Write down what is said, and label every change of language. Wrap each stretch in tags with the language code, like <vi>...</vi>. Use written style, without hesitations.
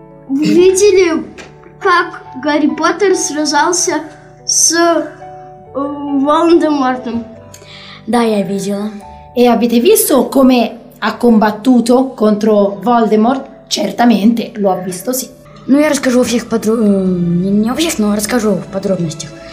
<ru>Видели, как Гарри Поттер сражался с Волан-де-Мортом? Да, я видела.</ru> <it>E avete visto come ha combattuto contro Voldemort? Certamente, lo ha visto, sì.</it> <ru>Ну, я расскажу о всех подробностях. Не о всех, но расскажу в подробностях.</ru>